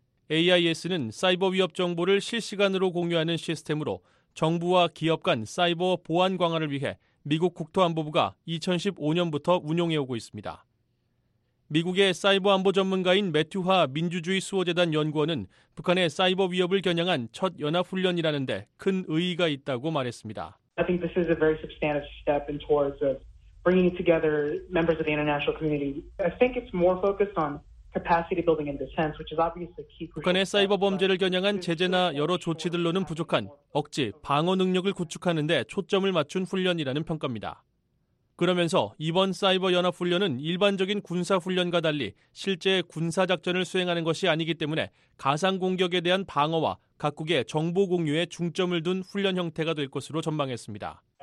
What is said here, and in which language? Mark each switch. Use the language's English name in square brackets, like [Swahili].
[Korean] AIS는 사이버 위협 정보를 실시간으로 공유하는 시스템으로 정부와 기업 간 사이버 보안 강화를 위해 미국 국토안보부가 2015년부터 운용해오고 있습니다. 미국의 사이버 안보 전문가인 매튜화 민주주의 수호재단 연구원은 북한의 사이버 위협을 겨냥한 첫 연합훈련이라는데 큰 의의가 있다고 말했습니다. [English] I think this is a very substantive step in towards of bringing together members of the international community. I think it's more focused on capacity building and defense, which is obviously key. [Korean] 북한의 사이버 범죄를 겨냥한 제재나 여러 조치들로는 부족한 억지, 방어 능력을 구축하는 데 초점을 맞춘 훈련이라는 평가입니다. 그러면서 이번 사이버 연합훈련은 일반적인 군사훈련과 달리 실제 군사작전을 수행하는 것이 아니기 때문에 가상공격에 대한 방어와 각국의 정보 공유에 중점을 둔 훈련 형태가 될 것으로 전망했습니다.